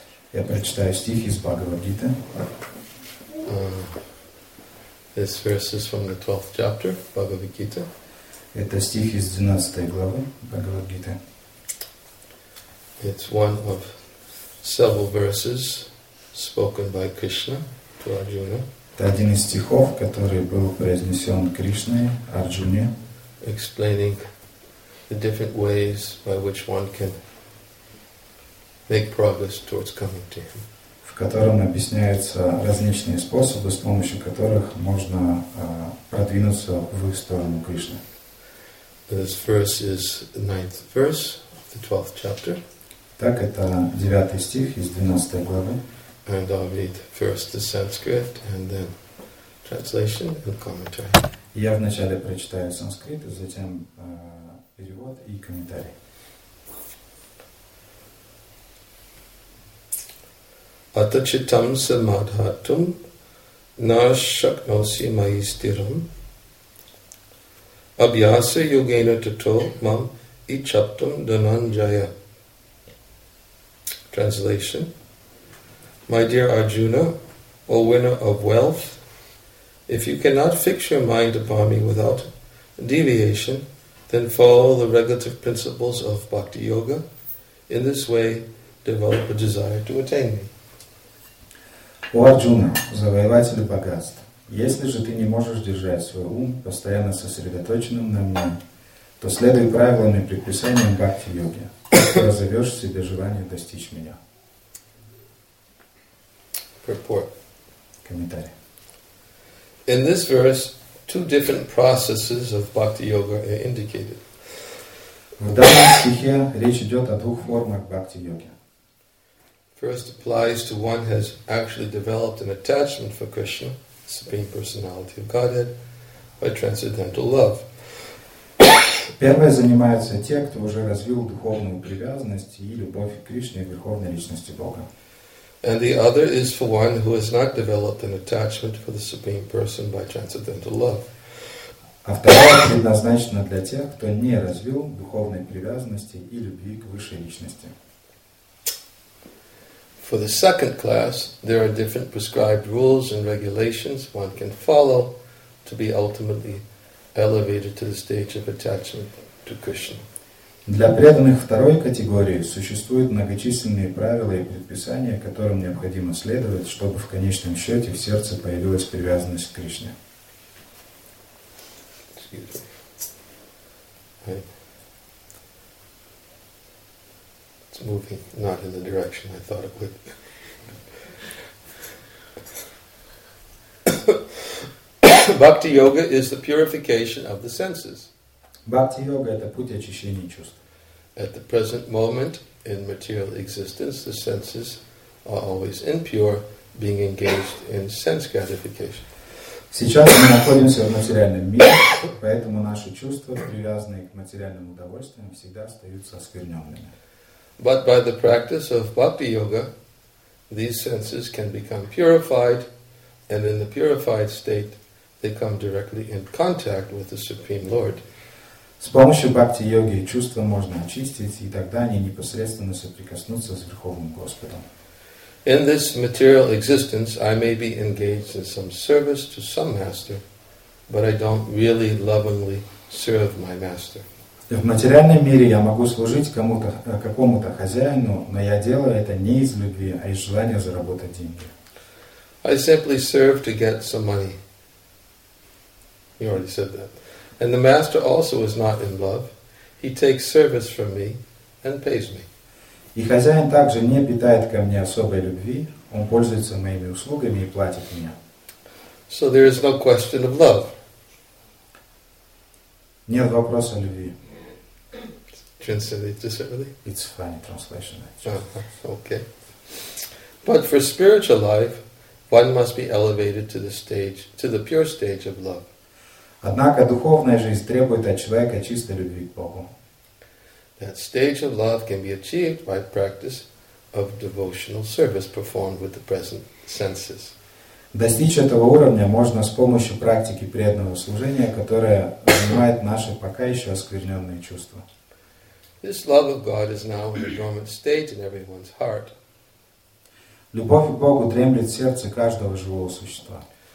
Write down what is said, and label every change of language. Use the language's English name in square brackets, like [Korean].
[Russian] Я прочитаю стих из Бхагавад Гиты. [English] This verse is from the 12th chapter, Bhagavad Gita. [Russian] Это стих из 12 главы Бхагавад Гиты. [English] It's one of several verses spoken by Krishna to Arjuna. [Russian] Это один из стихов, который был произнесен Кришной Арджуне. [English] Explaining the different ways by which one can make progress towards coming to him. [Russian] В котором объясняются различные способы, с помощью которых можно продвинуться в сторону Кришны. [English] This verse is the 9th verse of the 12th chapter. [Russian] Так, это 9 стих из 12 главы. [English] And I'll read first the Sanskrit and then translation and commentary. [Russian] Я вначале прочитаю санскрит, затем перевод и комментарий. [Sanskrit] Ата читам самадхатум на шакноси майи стирам абьяса югена тато мам ичаптам дананджая. [English] Translation. My dear Arjuna, O winner of wealth, if you cannot fix your mind upon me without deviation, then follow the regulative principles of Bhakti Yoga. In this way, develop a desire to attain me. [Russian] О, Арджуна, завоеватель богатств, если же ты не можешь держать свой ум постоянно сосредоточенным на мне, то следуй правилам и предписаниям Бхакти Йоги, и разовешь в себе желание достичь меня. [English] Purport. [Russian] Комментарий. [English] In this verse, two different processes of Bhakti Yoga are indicated. [Russian] В данном стихе речь идет о двух формах Бхакти Йоги. [English] First applies to one has actually developed an attachment for Krishna, the Supreme Personality of Godhead, by transcendental love. [Russian] Первое занимается те, кто уже развил духовную привязанность и любовь к Кришне, Верховной Личности Бога. [English] And the other is for one who has not developed an attachment for the Supreme Person by transcendental love. [Russian] А второе предназначено для тех, кто не развил духовной привязанности и любви к Высшей Личности. [English] For the second class, there are different prescribed rules and regulations one can follow to be ultimately elevated to the stage of attachment to Krishna. [Russian] Для преданных второй категории существуют многочисленные правила и предписания, которым необходимо следовать, чтобы в конечном счете в сердце появилась привязанность к Кришне. [English] It's moving not in the direction I thought it would. Bhakti yoga is the purification of the senses. [Russian] Bhakti yoga — это путь очищения чувств. [English] At the present moment in material existence, the senses are always impure, being engaged in sense gratification. [Russian] Сейчас мы находимся в материальном мире, поэтому наши чувства, привязанные к материальным удовольствиям, всегда остаются оскверненными. [English] But by the practice of Bhakti Yoga, these senses can become purified, and in the purified state, they come directly in contact with the Supreme Lord. [Russian] С помощью бхакти-йоги чувства можно очистить, и тогда они непосредственно соприкоснутся с Верховным Господом. [English] In this material existence, I may be engaged in some service to some master, but I don't really lovingly serve my master. [Russian] В материальном мире я могу служить кому-то, какому-то хозяину, но я делаю это не из любви, а из желания заработать деньги. [English] I simply serve to get some money. You already said that. And the master also is not in love. He takes service from me and pays me. [Russian] И хозяин также не питает ко мне особой любви. Он пользуется моими услугами и платит мне. [English] So there is no question of love. [Russian] Нет вопроса о любви. [English] Translate this early? It's a funny translation, actually. Okay. But for spiritual life, one must be elevated to the stage, to the pure stage of love. [Russian] Однако духовная жизнь требует от человека чистой любви к Богу. [English] That stage of love can be achieved by practice of devotional service performed with the present senses. [Russian] Достичь этого уровня можно с помощью практики преданного служения, которое занимает наши пока еще оскверненные чувства. [English] This love of God is now in a dormant state in everyone's heart. [Russian] Любовь к Богу дремлет в сердце каждого живого существа.